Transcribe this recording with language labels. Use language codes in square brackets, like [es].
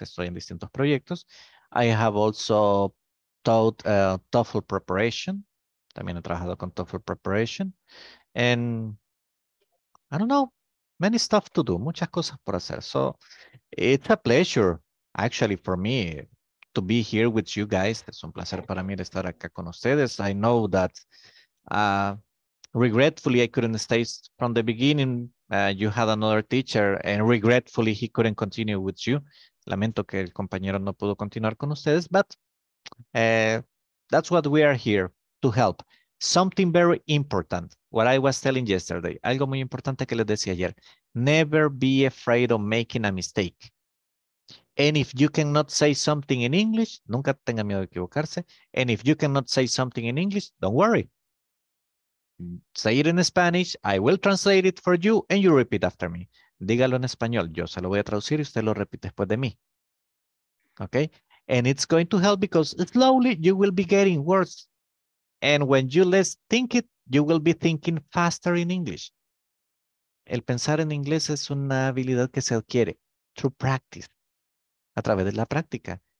[es] Estoy en distintos proyectos. [en] I have also taught TOEFL preparation. [es] También he trabajado con [en] TOEFL preparation. And I don't know, many stuff to do, [es] muchas cosas por hacer. [en] So it's a pleasure, actually, for me to be here with you guys. [es] Es un placer para mí estar acá con ustedes. [en] I know that, regretfully, I couldn't stay from the beginning. You had another teacher, and regretfully, he couldn't continue with you. [es] Lamento que el compañero no pudo continuar con ustedes, [en] but that's what we are here to help. Something very important, what I was telling yesterday, [es] algo muy importante que les decía ayer, [en] never be afraid of making a mistake. And if you cannot say something in English, [es] nunca tenga miedo de equivocarse. [en] And if you cannot say something in English, don't worry. Say it in Spanish, I will translate it for you, and you repeat after me. [es] Dígalo en español, yo se lo voy a traducir y usted lo repite después de mí. [en] Okay? And it's going to help because slowly you will be getting words. And when you less think it, you will be thinking faster in English. [es] El pensar en inglés es una habilidad que se adquiere [en] through practice, [es] a través de la práctica.